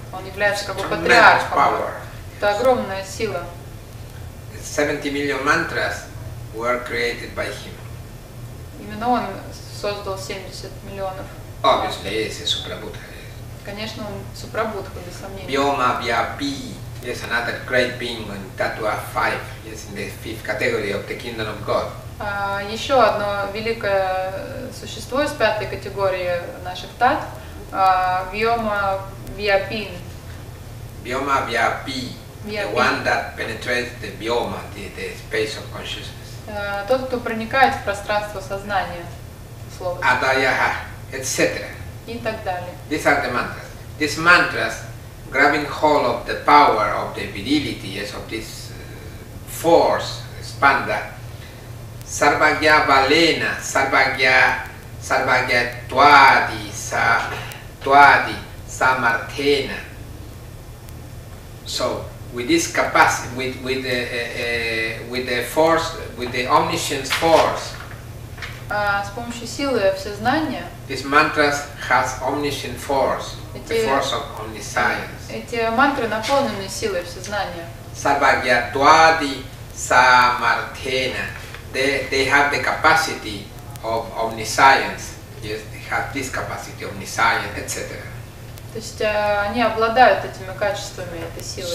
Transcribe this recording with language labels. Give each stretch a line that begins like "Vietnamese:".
Russian: Он является как бы патриархом. Это огромная сила.
English: 70 million mantras were created by him.
Russian: Именно он создал 70 миллионов.
English: Obviously, he is a Suprabuddha.
Russian: Конечно, он Супрабудха, без сомнения.
English: Vyoma Vyapi, yes, another great being in Tattva 5, yes, in the fifth category of the Kingdom of God.
Russian: Еще одно великое существо из пятой категории наших тат, Vyoma Vyapi.
English: Vyoma Vyapi. The one that penetrates the bioma, the space of consciousness.
Russian: Тот, кто проникает в пространство сознания, слово. Адаяха, etc. И так далее.
English: These are the mantras. These mantras, grabbing hold of the power of the virility, yes, of this force, spanda.
Sanskrit: Sarvagya balena, sarvagya twadi, twadi samartena. So.
English: With this capacity, with the force, with the omniscience force.
Russian: С помощью силы всезнания.
English: These mantras has omniscient force, the force of omniscience.
Russian: Эти мантры наполнены силой всезнания.
Sanskrit: Sarvagya twadi samarthena.
English: They have the capacity of omniscience. Yes, they have this capacity of omniscience, etc.
Russian: То есть они обладают этими качествами, этой силой.